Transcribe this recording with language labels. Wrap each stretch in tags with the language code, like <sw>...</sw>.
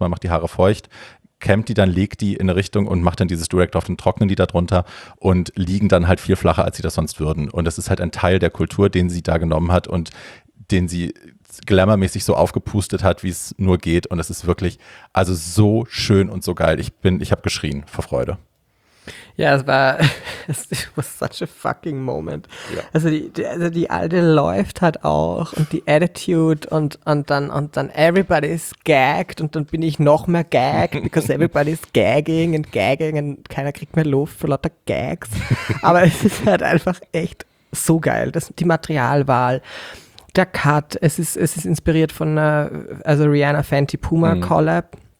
<de>Man macht die Haare feucht, kämmt die dann, legt die in eine Richtung und macht dann dieses Durag drauf und trocknen die da drunter und liegen dann halt viel flacher, als sie das sonst würden. Und das ist halt ein Teil der Kultur, den sie da genommen hat und den sie glamourmäßig so aufgepustet hat, wie es nur geht. Und es ist wirklich also so schön und so geil. Ich habe geschrien vor Freude. Ja, es war</de> <en>it was such a fucking moment.</en> <de>Ja. Also die Alte läuft halt auch und die Attitude und dann</de> <en>everybody is gagged</en> <de>und dann bin ich noch mehr gagged,</de> <en>because everybody is gagging</en> <de>und keiner kriegt mehr Luft für lauter Gags. Aber es ist halt einfach echt so geil, dass die Materialwahl, der Cut, es ist inspiriert von also Rihanna Fenty Puma Collab.</de>